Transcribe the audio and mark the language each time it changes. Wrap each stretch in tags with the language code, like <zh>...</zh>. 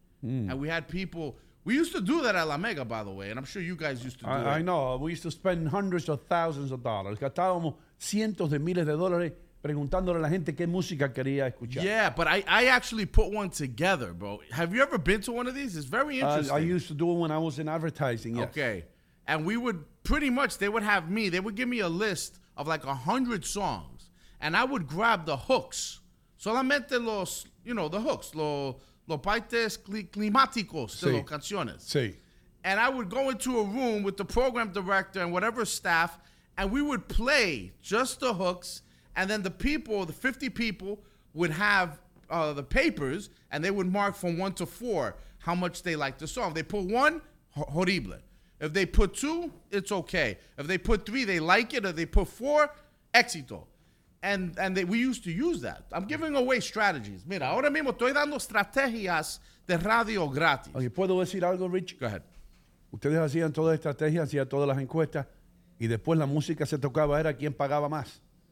<en>And we had people, we used to do that at La Mega, by the way, and I'm sure you guys used to do it. I know, we used to spend hundreds of thousands of dollars.</en> <es>Gastábamos cientos de miles de dólares preguntándole a la gente qué música quería escuchar.</es> <en>Yeah, but I actually put one together, bro. Have you ever been to one of these? It's very interesting. I used to do it when I was in advertising, yes. Okay. And we would pretty much, they would have me, they would give me a list of like 100 songs, and I would grab the hooks.</en> <es>Solamente los,</es> <en>you know, the hooks,</en> <es>los partes climáticos de las canciones. Sí.</es> <en>And I would go into a room with the program director and whatever staff, and we would play just the hooks. And then the people, the 50 people, would have the papers, and they would mark from 1 to 4 how much they liked the song. If they put 1, horrible. If they put 2, it's okay. If they put 3, they like it. If they put 4, éxito. And we used to use that. I'm giving away strategies.</en> <es>Mira, ahora mismo estoy dando estrategias de radio gratis. Oye, ¿puedo decir algo, Rich?</es> <en>Go ahead.</en> <es>Ustedes hacían todas las estrategias, hacían todas las encuestas, y después la música se tocaba, era quien pagaba más.</es>